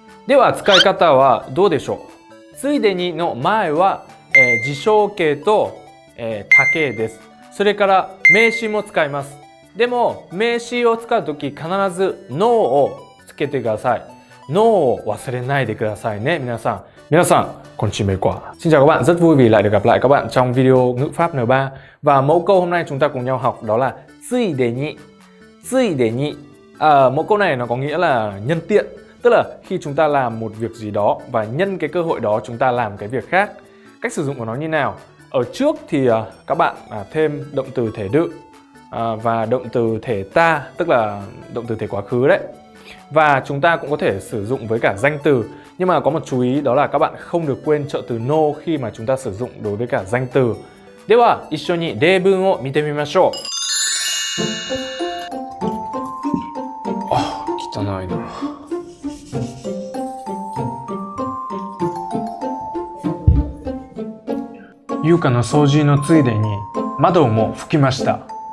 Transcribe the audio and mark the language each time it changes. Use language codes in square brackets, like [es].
[ja] では使い方はどうでしょう。ついでにの前は自称形と他形です。それから名詞も使います。でも名詞を使うとき必ず NO をつけてください。 NO を忘れないでくださいね。皆さんこんにちは、美国。 [vi] Xin chào các bạn, rất vui vì lại được gặp lại các bạn trong video ngữ pháp N3. Và mẫu câu hôm nay chúng ta cùng nhau học đó là ついでに, ついでに. Mẫu câu này nó có nghĩa là nhân tiện, tức là khi chúng ta làm một việc gì đó và nhân cái cơ hội đó chúng ta làm cái việc khác. Cách sử dụng của nó như nào? Ở trước thì các bạn thêm động từ thể đự và động từ thể ta, tức là động từ thể quá khứ đấy. Và chúng ta cũng có thể sử dụng với cả danh từ. Nhưng mà có một chú ý, đó là các bạn không được quên trợ từ no khi mà chúng ta sử dụng đối với cả danh từ. [ja] では一緒に例文を見てみましょう。ゆうかの掃除のついでに窓も拭きました。